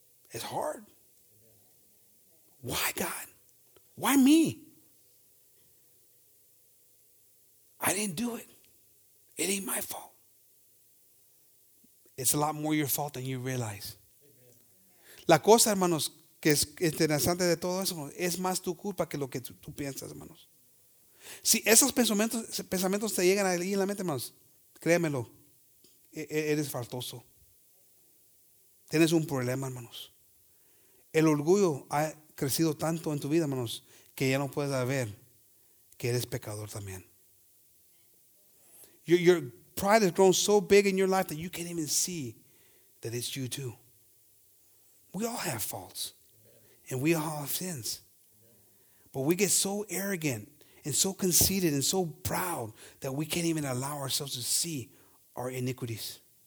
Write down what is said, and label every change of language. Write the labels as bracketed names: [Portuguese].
[English] It's hard. Why, God? Why me? I didn't do it. It ain't my fault. It's a lot more your fault than you realize. [Spanish] La cosa, hermanos, que es interesante de todo eso, es más tu culpa que lo que tú piensas, hermanos. Si esos pensamientos te llegan ahí en la mente, hermanos, créamelo, eres faltoso. Tienes un problema, hermanos. El orgullo ha crecido tanto en tu vida, hermanos, que ya no puedes ver que eres pecador también. [English] Your pride has grown so big in your life that you can't even see that it's you too. We all have faults. And we all have sins. But we get so arrogant and so conceited and so proud that we can't even allow ourselves to see our iniquities.